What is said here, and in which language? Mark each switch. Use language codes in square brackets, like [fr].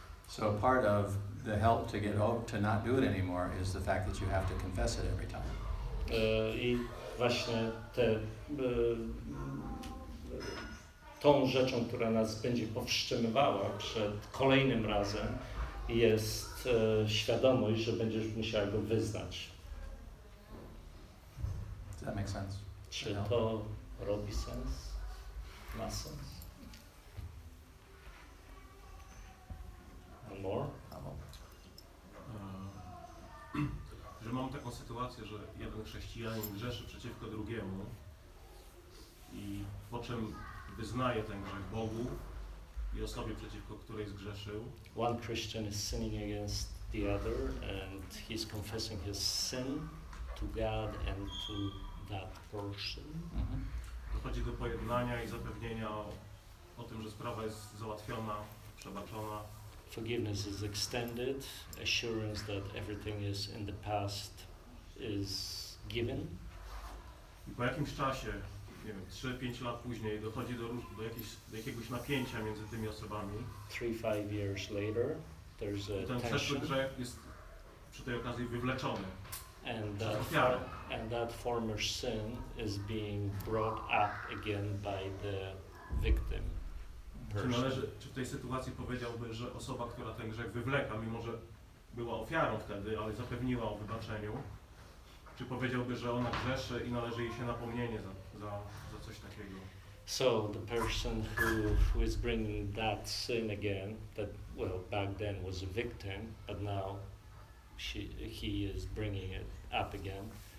[en] So part of the help to get over, to not do it anymore is the fact that you have to confess it every time. [pl] I właśnie te tą rzeczą, która nas będzie powstrzymywała przed kolejnym razem, jest świadomość, że będziesz musiał go wyznać. [en] Does that make sense? [pl] Czy to robi sens? Ma sens? [en] One more? [pl] Że mam taką sytuację, że jeden chrześcijanin grzeszy przeciwko drugiemu i po czym wyznaje ten grzech Bogu i osobie, przeciwko której zgrzeszył. [en] One Christian is sinning against the other and he's confessing his sin to God and to that person. [pl] Dochodzi do pojednania i zapewnienia o tym, że sprawa jest załatwiona, przebaczona. [en] Forgiveness is extended, assurance that everything is in the past is given. [pl] I po jakimś czasie, nie wiem, 3-5 lat później dochodzi do jakiegoś napięcia między tymi osobami. [en] 3-5 years later, there's a tension. [pl] Ten przeszły grzech jest przy tej okazji wywleczony. [en] And that former sin is being brought up again by the victim. [pl] Czy w tej sytuacji powiedziałby, że osoba, która ten grzech wywleka, mimo że była ofiarą wtedy, ale zapewniła o wybaczeniu, czy powiedziałby, że ona grzeszy i należy jej się napomnienie za coś takiego? [en] So the person who is bringing that sin again, that well back then was a victim, but now he is bringing it up again.